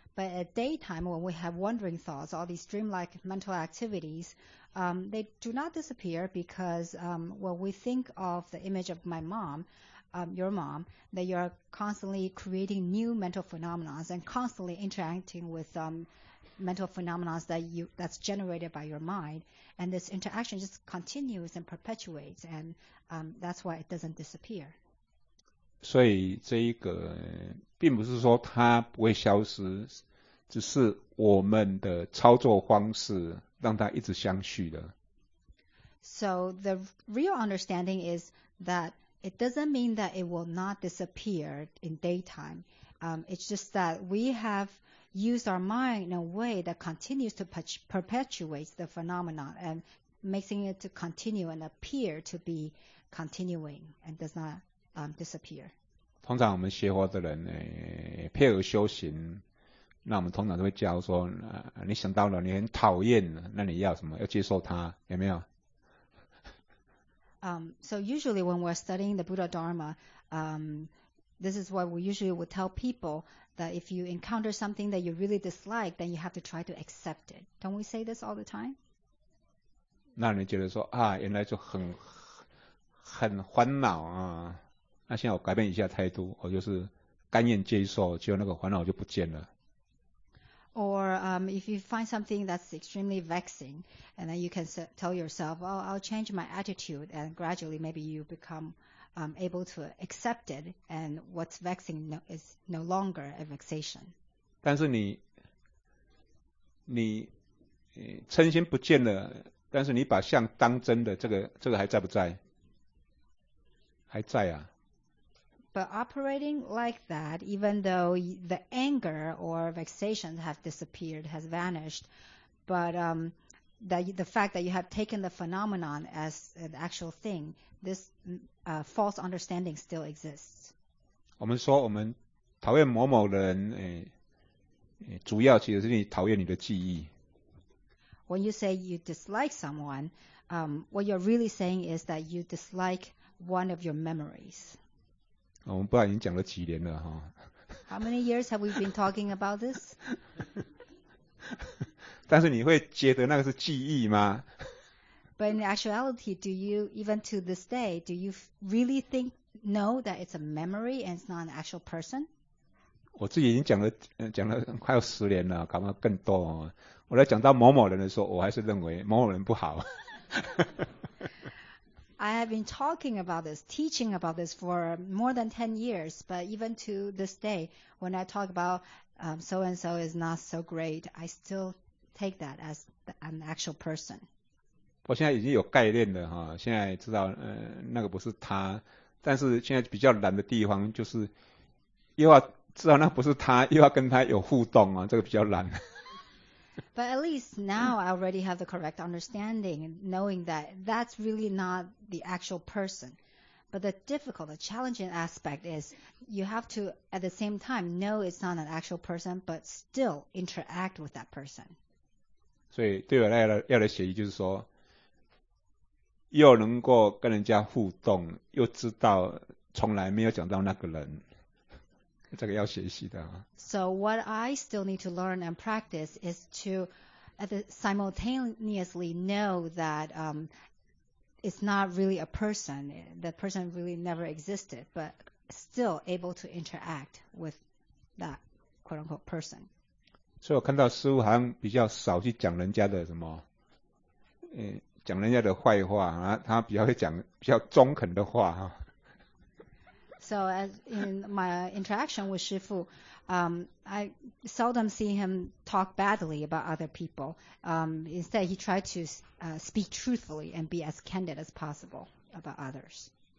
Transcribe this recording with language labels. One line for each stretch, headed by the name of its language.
English: But at daytime, when we have wandering thoughts, all these dreamlike mental activities, they do not disappear because when we think of the image of my mom, your mom, that you're constantly creating new mental phenomena and constantly interacting with mental phenomena that's generated by your mind. And this interaction just continues and perpetuates, and that's why it doesn't disappear.
Chinese: 所以这一个并不是说它不会消失，只是我们的操作方式让它一直相续的。
English: So the real understanding is that it doesn't mean that it will not disappear in daytime. It's just that we have used our mind in a way that continues to perpetuate the phenomenon and making it to continue and appear to be continuing and does not disappear.
Chinese: 通常我们学佛的人配合修行，那我们通常都会教说，你想到了，你很讨厌，那你要什么？要接受它，有没有？
English: So usually when we're studying the Buddha Dharma, this is what we usually would tell people, that if you encounter something that you really dislike, then you have to try to accept it. Don't we say this all the time?
Chinese: 那你觉得说啊，原来就很烦恼啊。那现在我改变一下态度，我就是甘愿接受，结果那个烦恼就不见了。
English: Or if you find something that's extremely vexing, and then you can tell yourself, "Oh, I'll change my attitude," and gradually maybe you become able to accept it, and what's vexing is no longer a vexation.
Chinese: 但是你嗔心不见了，但是你把相当真的，这个还在不在？还在啊。
English: But operating like that, even though the anger or vexation have disappeared, has vanished, but the fact that you have taken the phenomenon as an actual thing, this false understanding still exists.
Chinese: 我们说我们讨厌某某人，主要其实是你讨厌你的记忆。
English: When you say you dislike someone, what you're really saying is that you dislike one of your memories.
Chinese: 我们不然已经讲了几年了哈。
English: How many years have we been talking about this?
Chinese: 但是你会觉得那个是记忆吗
English: ？But in actuality, do you even to this day, do you really think know that it's a memory and it's not an actual person?
Chinese: 我自己已经讲了快要十年了，搞不好更多、哦。我在讲到某某人的时候，我还是认为某某人不好。
English: I have been talking about this, teaching about this for more than 10 years, but even to this day, when I talk about so-and-so is not so great, I still take that as an actual person.
Chinese: 我现在已经有概念了，现在知道那个不是他，但是现在比较难的地方就是又要知道那不是他，又要跟他有互动，这个比较难。
English: But at least now I already have the correct understanding, knowing that that's really not the actual person. But the difficult, the challenging aspect is you have to, at the same time, know it's not an actual person, but still interact with that person.
Chinese: 所以对我要来学习就是说，又能够跟人家互动，又知道从来没有讲到那个人。这个要学习的、啊、
English: So what I still need to learn and practice is to simultaneously know that it's not really a person, that person really never existed, but still able to interact with that quote-unquote person.
Chinese: 所以我看到师父好像比较少去讲人家的什么，讲人家的坏话、啊、他比较会讲比较中肯的话、啊
English: So as in my interaction with Shi Fu, I seldom see him talk badly about other people. Instead, he tried to speak truthfully and be as candid as possible about others.